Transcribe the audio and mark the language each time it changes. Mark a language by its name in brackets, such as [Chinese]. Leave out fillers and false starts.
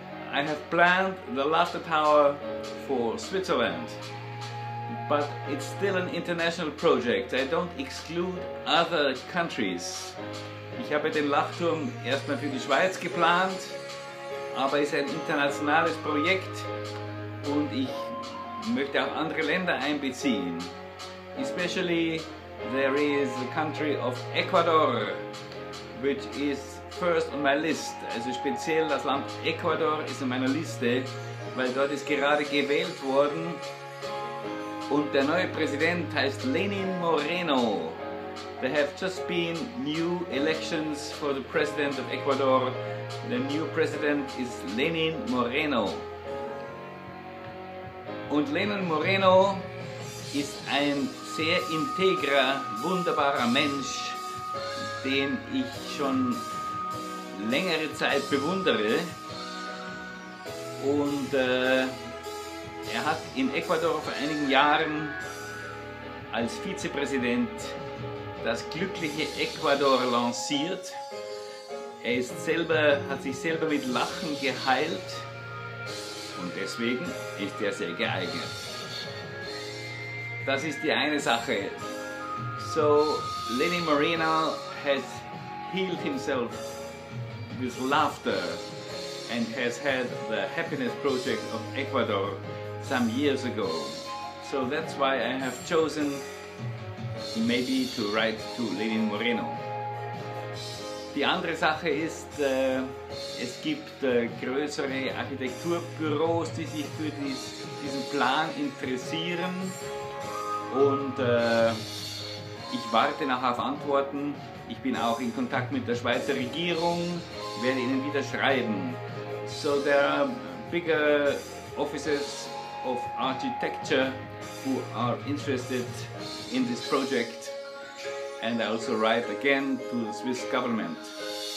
[English] I have planned the Laughter Tower for Switzerland, but it's still an international project. I don't exclude other countries. [German] Ich habe den Lachturm erstmal für die Schweiz geplant, aber es ist ein internationales Projekt und ich möchte auch andere Länder einbeziehen. [English] Especially there is the country of Ecuador, which is first on my list. [German] Also speziell das Land Ecuador ist in meiner Liste, weil dort ist gerade gewählt worden und der neue Präsident heißt Lenin Moreno. [English] There have just been new elections for the president of Ecuador. The new president is Lenin Moreno. [German] Und Lenin Moreno ist ein sehr integrer, wunderbarer Mensch, den ich schon längere Zeit bewundere. Und er hat in Ecuador vor einigen Jahren als Vizepräsident das glückliche Ecuador lanciert. Er ist selber, hat sich selber mit Lachen geheilt und deswegen ist er sehr geeignet. Das ist die eine Sache. [English] So, Lenin Moreno has healed himself with laughter and has had the happiness project of Ecuador some years ago. So that's why I have chosen maybe to write to Lenin Moreno. [German] Die andere Sache ist, es gibt größere Architekturbüros, die sich für diesen Plan interessieren. Und ich warte noch auf Antworten. Ich bin auch in Kontakt mit der Schweizer Regierung, werde ihnen wieder schreiben. [English] So there are bigger offices of architecture who are interested in this project, and I also write again to the Swiss government.